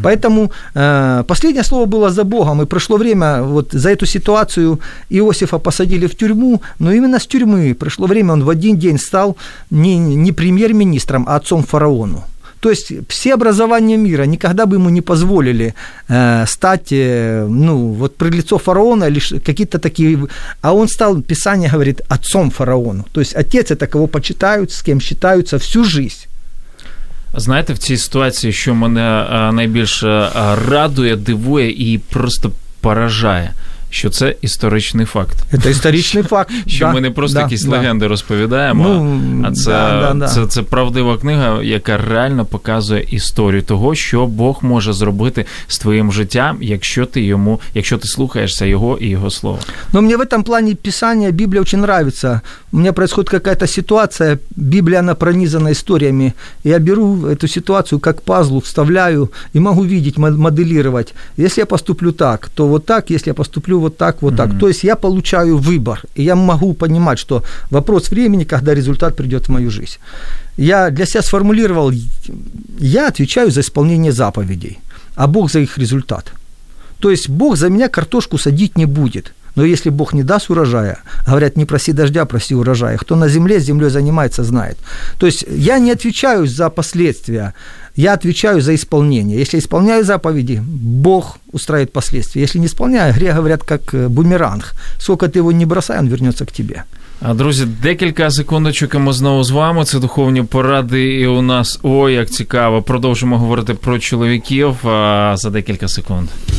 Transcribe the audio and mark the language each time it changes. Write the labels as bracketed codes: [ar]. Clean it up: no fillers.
[ru] Поэтому последнее слово было за Богом, и прошло время, вот за эту ситуацию Иосифа посадили в тюрьму, но именно с тюрьмы прошло время, он в один день стал не премьер-министром, а отцом фараону. То есть все образования мира никогда бы ему не позволили стать, ну, вот при лицо фараона, лишь какие-то такие... А он стал, Писание говорит, отцом фараону. То есть отец – это кого почитают, с кем считаются всю жизнь. [uk] Знаєте, в цій ситуації, що мене найбільше радує, дивує і просто поражає, що це історичний факт. Це історичний факт. Що ми не просто якісь легенди розповідаємо, а це правдива книга, яка реально показує історію того, що Бог може зробити з твоїм життям, якщо ти слухаєшся Його і Його Слово. Ну, мені в цьому плані Писання, Біблія дуже подобається. У мене відбувається якась ситуація, Біблія, вона пронизана історіями. Я беру цю ситуацію як пазл, вставляю і можу бачити, моделірувати. Якщо я поступлю так, то от так, якщо я поступлю вот так, вот так. [ru] То есть я получаю выбор, и я могу понимать, что вопрос времени, когда результат придет в мою жизнь. Я для себя сформулировал, я отвечаю за исполнение заповедей, а Бог за их результат. То есть Бог за меня картошку садить не будет. Но если Бог не даст урожая, говорят, не проси дождя, проси урожая. Кто на земле с землей занимается, знает. То есть я не отвечаю за последствия, я отвечаю за исполнение. Если исполняю заповеди, Бог устраивает последствия. Если не исполняю, грех, говорят, как бумеранг. Сколько ты его не бросай, он вернется к тебе. [uk] Друзі, декілька секундочок, і ми знову з вами. Це духовні поради, і у нас, ой, як цікаво, продовжимо говорити про чоловіків за декілька секунд.